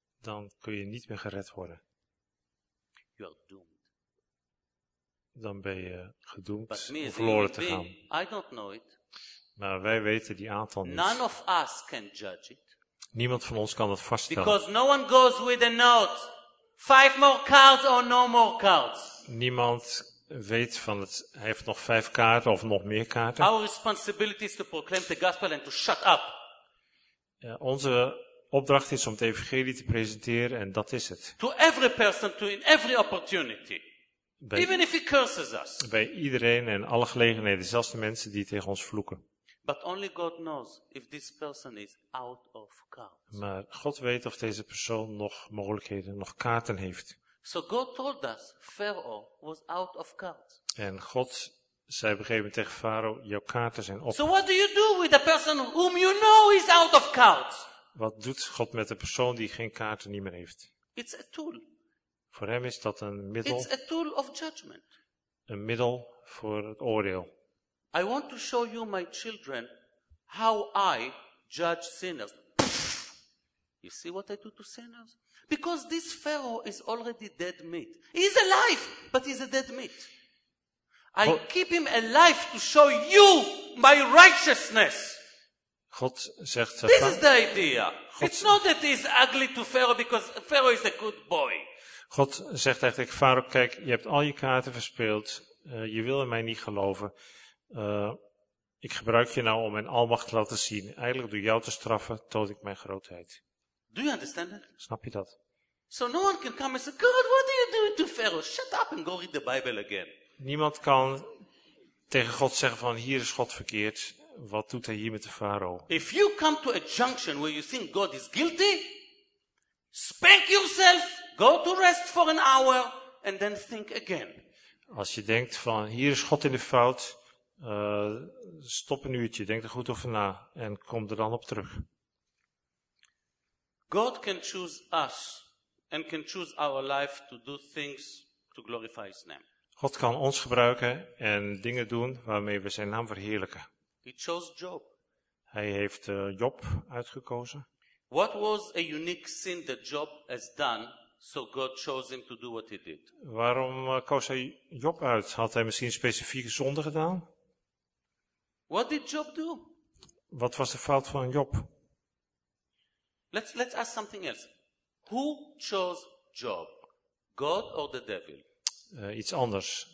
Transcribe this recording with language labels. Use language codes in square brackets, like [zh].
[nl] Dan kun je niet meer gered worden. [en] You are doomed. [nl] Dan ben je gedoemd om verloren te gaan. [en] I don't know it. [nl] Maar wij weten die aantal niet. [en] None of us can judge it. [nl] Niemand van ons kan dat vaststellen. [en] Because no one goes with a note. 5 more cards or no more cards. [nl] Niemand weet van het. Hij heeft nog 5 kaarten of nog meer kaarten. [en] Our responsibility is to proclaim the gospel and to shut up. [nl] Onze opdracht is om het evangelie te presenteren en dat is het. [en] To every person, to in every opportunity. Even if he curses us. [nl] Bij iedereen en alle gelegenheden, zelfs de mensen die tegen ons vloeken. [en] But only God knows if this person is out of cards. [nl] Maar God weet of deze persoon nog mogelijkheden, nog kaarten heeft. [en] So God told us Pharaoh was out of cards. [nl] En God zei op een gegeven moment tegen Farao, jouw kaarten zijn op. [en] So what do you do with a person whom you know is out of cards? [nl] Wat doet God met een persoon die geen kaarten niet meer heeft? [en] It's a tool. [nl] Voor hem is dat een middel. [en] It's a tool of judgment. [nl] Een middel voor het oordeel. [en] I want to show you my children how I judge sinners. You see what I do to sinners? Because this Pharaoh is already dead meat. He's alive, but he's a dead meat. I keep him alive to show you my righteousness. [nl] God zegt. [en] This is the idea. God. It's not that he's ugly to Pharaoh because Pharaoh is a good boy. [nl] God zegt eigenlijk, Farao, kijk, je hebt al je kaarten verspeeld. Je wil in mij niet geloven. Ik gebruik je nou om mijn almacht te laten zien. Eigenlijk door jou te straffen, toon ik mijn grootheid. [en] Do you understand that? [nl] Snap je dat? [en] So no one can come and say, God, what are you doing to Pharaoh? Shut up and go read the Bible again. [nl] Niemand kan tegen God zeggen van, hier is God verkeerd. Wat doet hij hier met de Farao? [en] If you come to a junction where you think God is guilty, spank yourself. Go to rest for an hour and then think again. [nl] Als je denkt van hier is God in de fout, stop een uurtje, denk er goed over na en kom er dan op terug. [en] God can choose us and can choose our life to do things to glorify his name. [nl] God kan ons gebruiken en dingen doen waarmee we zijn naam verheerlijken. [en] He chose Job. [nl] Hij heeft Job uitgekozen. [en] What was a unique sin that Job has done? So God chose him to do what he did. [nl] Waarom koos hij Job uit? Had hij misschien specifieke zonde gedaan? [en] What did Job do? [nl] Wat was de fout van Job? [en] Let's ask something else. Who chose Job? God or the devil? [nl] Iets anders.